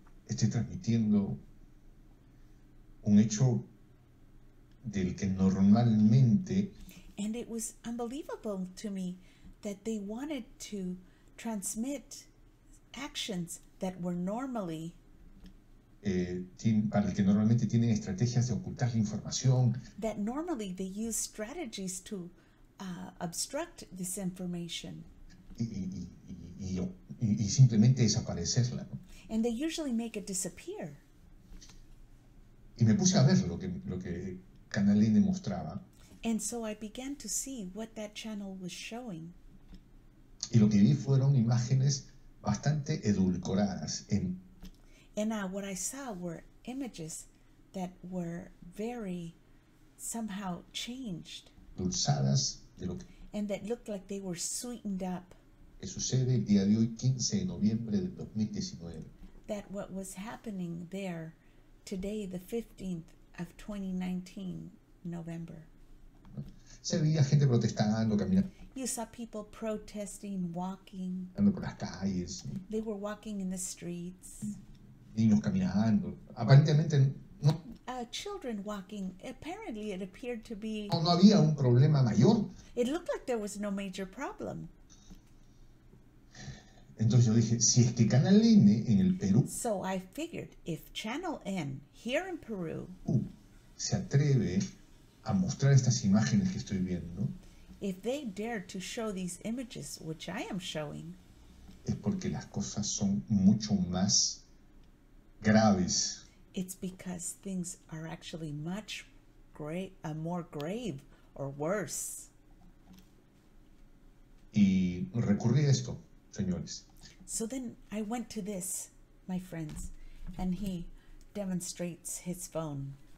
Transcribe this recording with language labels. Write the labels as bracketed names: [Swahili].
[Spanish] esté transmitiendo un hecho del que normalmente, [English] and it was unbelievable to me that they wanted to transmit actions that were normally [Spanish] para el que normalmente tienen estrategias de ocultar la información, [English] that normally they use strategies to obstruct this information [Spanish] y simplemente desaparecerla, ¿no? [English] And they usually make it disappear. [Spanish] Y me puse a ver lo que Canaline mostraba. [English] And so I began to see what that channel was showing. [Spanish] Y lo que vi fueron imágenes bastante edulcoradas. [English] And what I saw were images that were very somehow changed. [Spanish] Dulzadas. [English] And that looked like they were sweetened up. [Spanish] Que sucede el día de hoy, 15 de noviembre de 2019. [English] That what was happening there today, the 15th of 2019, November. [Spanish] Se veía gente protestando, caminando. [English] You saw people protesting, walking. [Spanish] Ando por las calles. [English] They were walking in the streets. [Spanish] Niños caminando. Aparentemente, no. [English] Children walking. Apparently, it appeared to be. [Spanish] No había un problema mayor. [English] It looked like there was no major problem. [Spanish] Entonces yo dije, si es que Canal N en el Perú. [English] So I figured, if Channel N here in Peru. [Spanish] Se atreve a mostrar estas imágenes que estoy viendo. [English] If they dare to show these images which I am showing. [Spanish] Es porque las cosas son mucho más graves. [English] It's because things are actually much more grave or worse. [Spanish] Y recurrí a esto, señores. [English] So then I went to this, my friends, and he demonstrates his phone.